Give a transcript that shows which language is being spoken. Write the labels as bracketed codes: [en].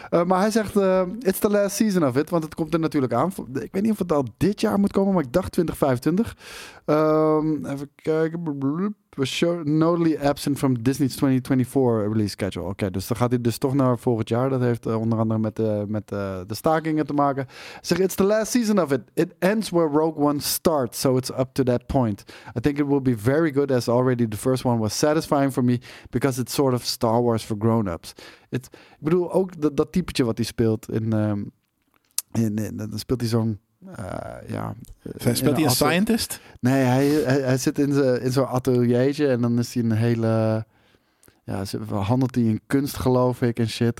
[nl] Maar hij zegt, [en] it's the last season of it. [nl] Want het komt er natuurlijk aan. Ik weet niet of het al dit jaar moet komen, maar ik dacht 2025. Even kijken. [en] We're notably absent from Disney's 2024 release schedule. [nl] Oké, dus dan gaat hij dus toch naar volgend jaar. Dat heeft onder andere met de stakingen te maken. [en] Zeg, it's the last season of it. It ends where Rogue One starts, so it's up to that point. I think it will be very good as already the first one was satisfying for me because it's sort of Star Wars for grown-ups. [nl] Ik bedoel, ook dat typetje wat hij speelt in dan speelt hij zo'n... Speelt hij een scientist? Nee, hij zit in zo'n ateliertje en dan is hij een hele... Ja, handelt hij in kunst, geloof ik, en shit.